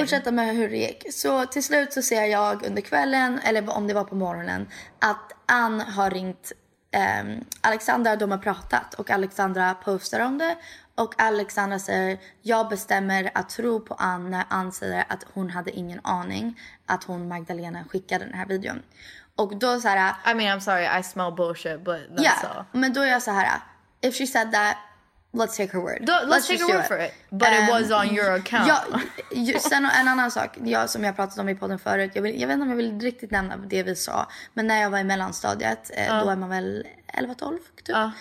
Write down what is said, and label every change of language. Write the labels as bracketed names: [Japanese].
[Swedish] Fortsätta med hur det gick. Så till slut så ser jag under kvällen, eller om det var på morgonen, att Ann har ringt Alexandra, de har pratat och Alexandra postar om det. Och Alexandra säger, jag bestämmer att tro på Ann när Ann säger att hon hade ingen aning att hon Magdalena skickade den här videon. Och då så här, [English] I mean, I'm sorry, I smell bullshit, but that's yeah, all. [Swedish] Men då är jag så här, [English] if she said that, let's take her word. Let's take her word for it. But it was on your account. [Swedish] Ja, sen en annan sak, som jag pratade om i podden förut, jag vet inte om jag vill riktigt nämna det vi sa, men när jag var i mellanstadiet, då är man väl 11-12 typ.